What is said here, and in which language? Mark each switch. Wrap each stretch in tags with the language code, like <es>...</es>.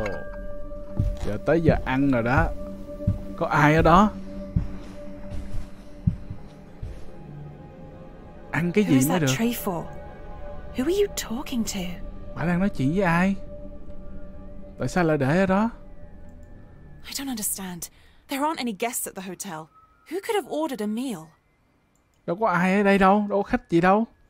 <vi>Oh. Giờ tới giờ ăn rồi đó. Có ai ở đó? Ăn cái gì mới được?</vi> <en>Who are you talking to?</en> <vi>Bà đang nói chuyện với ai? Tại sao lại để ở đó?</vi> <en>I don't understand. There aren't any guests at the hotel. Who could have ordered a meal?</en> <vi>Đâu có ai ở đây đâu, đâu có khách gì đâu.</vi>